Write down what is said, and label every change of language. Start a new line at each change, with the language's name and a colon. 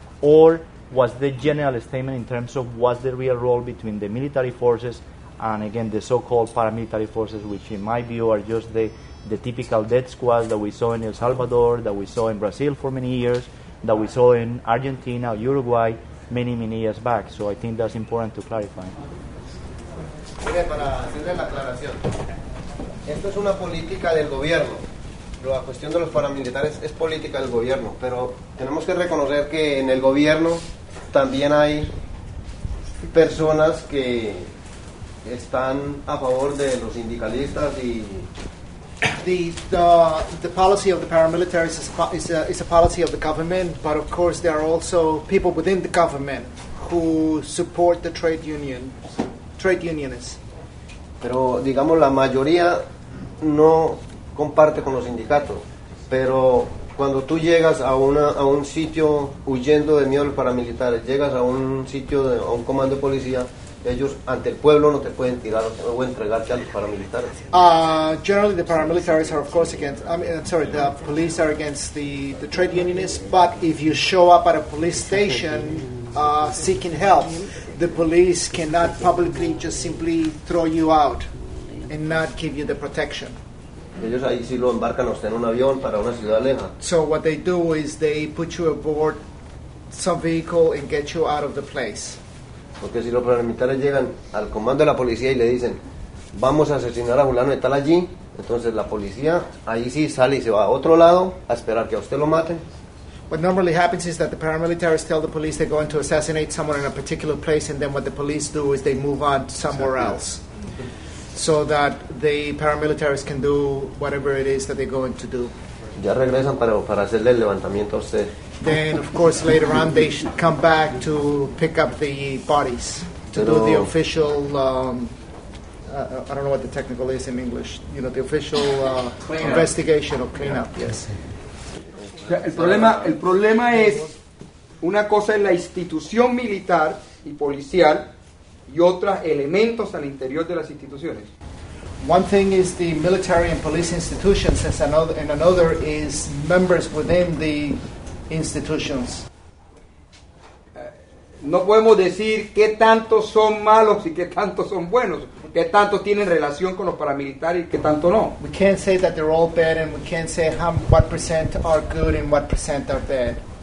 English: Or was the general statement in terms of what's the real role between the military forces and, again, the so-called paramilitary forces, which in my view are just the typical death squads that we saw in El Salvador, that we saw in Brazil for many years, that we saw in Argentina, Uruguay, many, many years back. So I think that's important to clarify.
Spanish: Mire, para hacerle la aclaración, esto es una política del gobierno. La cuestión de los paramilitares es política del gobierno, pero tenemos que reconocer que en el gobierno también hay personas que están a favor de los sindicalistas y
English: the policy of the paramilitaries is a policy of the government, but of course there are also people within the government who support the trade unionists.
Spanish: Pero digamos la mayoría no comparte con los sindicatos, pero cuando tú llegas a un sitio huyendo de miedo a los paramilitares, llegas a un sitio a un comando de policía, ellos ante el pueblo no te pueden tirar o entregarte a los paramilitares.
English: Generally, the paramilitaries are of course against. The police are against the trade unionists. But if you show up at a police station seeking help, the police cannot publicly just simply throw you out and not give you the protection.
Spanish: Ellos ahí sí lo embarcan, o sea, en un avión para una ciudad lejana.
English: So what they do is they put you aboard some vehicle and get you out of the place.
Spanish: Porque si los paramilitares llegan al comando de la policía y le dicen, vamos a asesinar a fulano de tal allí, entonces la policía ahí sí sale y se va a otro lado a esperar que a usted lo maten.
English: What normally happens is that the paramilitaries tell the police they're going to assassinate someone in a particular place, and then what the police do is they move on somewhere else. So that the paramilitaries can do whatever it is that they're going to do.
Spanish: Ya regresan para hacerle el levantamiento a usted.
English: Then, of course, later on they should come back to pick up the bodies to do the official. I don't know what the technical is in English. You know, the official investigation or cleanup. Yes.
Spanish: sea, el problema es una cosa es la institución militar y policial y otros elementos al interior de las instituciones.
English: One thing is the military and police institutions, and another is members within the institutions.
Spanish: No podemos decir qué tantos son malos y qué tantos son buenos, qué tantos tienen relación con los paramilitares y qué tanto no.
English: We can't say that they're all bad, and we can't say what percent are good and what percent are bad.